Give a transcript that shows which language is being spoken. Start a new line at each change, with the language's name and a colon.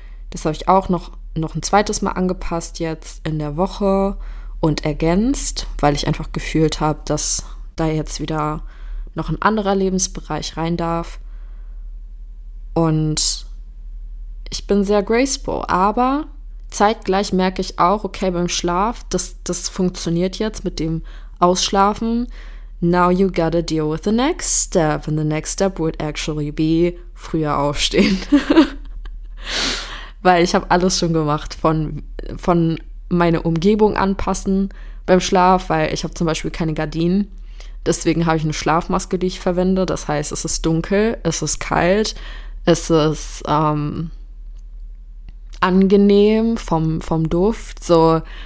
German: Das habe ich auch noch ein zweites Mal angepasst jetzt in der Woche und ergänzt, weil ich einfach gefühlt habe, dass da jetzt wieder noch ein anderer Lebensbereich rein darf. Und ich bin sehr graceful, aber zeitgleich merke ich auch, okay, beim Schlaf, das funktioniert jetzt mit dem Ausschlafen.
English: Now you gotta deal with the next step. And the next step would actually be
German: früher aufstehen. Weil ich habe alles schon gemacht, von meiner Umgebung anpassen beim Schlaf, weil ich habe zum Beispiel keine Gardinen. Deswegen habe ich eine Schlafmaske, die ich verwende. Das heißt, es ist dunkel, es ist kalt, es ist angenehm vom Duft. So,